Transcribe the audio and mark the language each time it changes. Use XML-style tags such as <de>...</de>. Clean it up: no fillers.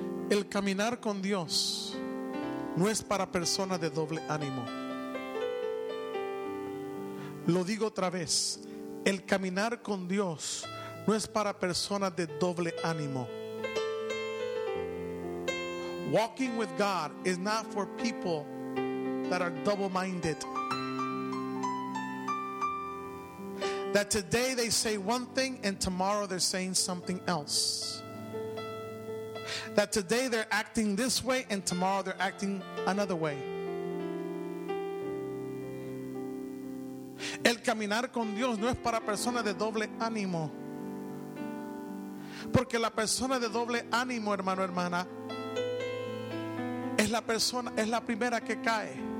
<es>El caminar con Dios no es para personas de doble ánimo. Lo digo otra vez: el caminar con Dios no es para personas de doble ánimo.</es> <en>Walking with God is not for people that are double-minded. That today they say one thing and tomorrow they're saying something else. That today they're acting this way and tomorrow they're acting another way.</en> <es>El caminar con Dios no es para personas de doble ánimo. Porque la persona de doble ánimo, hermano, hermana, es la persona, es la primera que cae.</es>